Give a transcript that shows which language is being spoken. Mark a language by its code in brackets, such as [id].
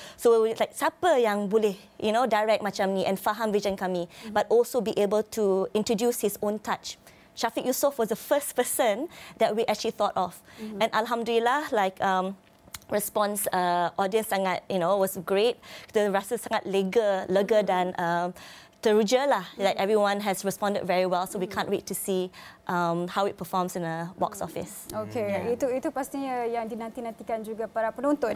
[en] So we were like, [ms] siapa yang boleh, [en] you know, direct [ms] macam ni [en] and [ms] faham vision kami, [en] but also be able to introduce his own touch. Syafiq Yusof was the first person that we actually thought of, and alhamdulillah, like response audience sangat, you know, was great. [ms] Kita rasa sangat lega dan teruja lah. [en] Like everyone has responded very well, so we can't wait to see how it performs in a box office. [id] Okay, itu pastinya yang dinanti-nantikan juga para penonton.